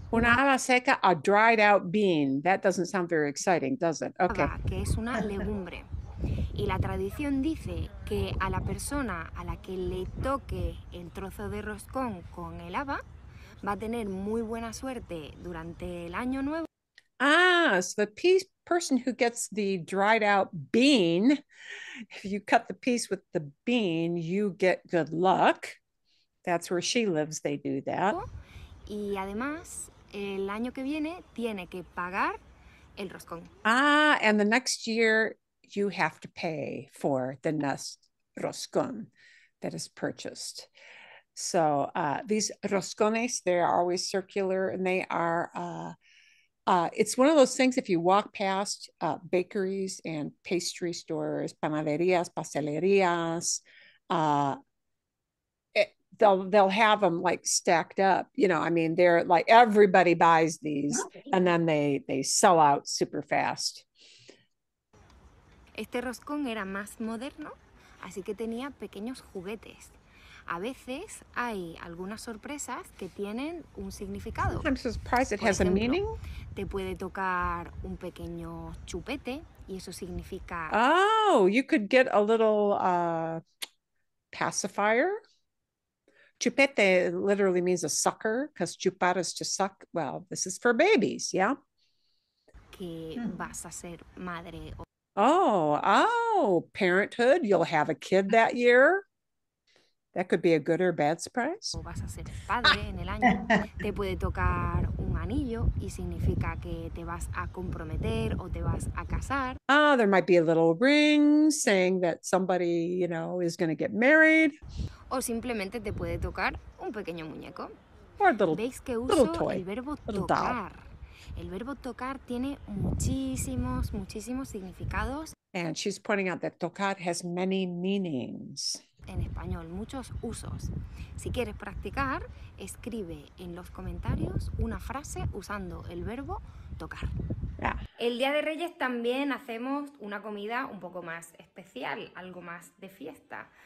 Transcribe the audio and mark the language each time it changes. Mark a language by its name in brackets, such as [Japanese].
[Spanish] Una haba seca, [English] a dried out bean. That doesn't sound very exciting, does it? Okay. [Spanish] Haba, que es una legumbre. Y la tradición dice que a la persona a la que le toque el trozo de roscón con el haba va a tener muy buena suerte durante el año nuevo. [English] Ah, so the person who gets the dried out bean, if you cut the piece with the bean, you get good luck. That's where she lives, they do that. [Spanish] Y además, el año que viene tiene que pagar el roscón. [English] Ah, and the next year you have to pay for the next roscón that is purchased. So these roscones, they're always circular and they are... it's one of those things, if you walk past bakeries and pastry stores, [Spanish] panaderías, pastelerías, [English] they'll have them like stacked up. You know, I mean, they're like everybody buys these and then they sell out super fast. [Spanish] Este roscón era más moderno, así que tenía pequeños juguetes. A veces hay algunas sorpresas que tienen un significado. [English] Sometimes a surprise it has [Spanish] ejemplo, [English] a meaning. [Spanish] Te puede tocar un pequeño chupete y eso significa... [English] Oh, you could get a little pacifier. Chupete literally means a sucker, because chupar is to suck. Well, this is for babies, yeah? [Spanish] Que vas a ser madre. [English] Oh, parenthood, you'll have a kid that year. That could be a good or bad surprise. [Spanish] O vas a ser padre en el año. Te puede tocar un anillo y significa que te vas a comprometer o te vas a casar. [English] Ah, there might be a little ring saying that somebody, you know, is going to get married. [Spanish] O simplemente te puede tocar un pequeño muñeco. [English] Or a little, [Spanish] ¿veis que uso [English] toy, [Spanish] el verbo tocar? El verbo tocar tiene muchísimos, muchísimos significados. [English] And she's pointing out that tocar has many meanings. [Spanish] En español, muchos usos. Si quieres practicar, escribe en los comentarios una frase usando el verbo tocar. [English] Yeah. [Spanish] El Día de Reyes también hacemos una comida un poco más especial, algo más de fiesta.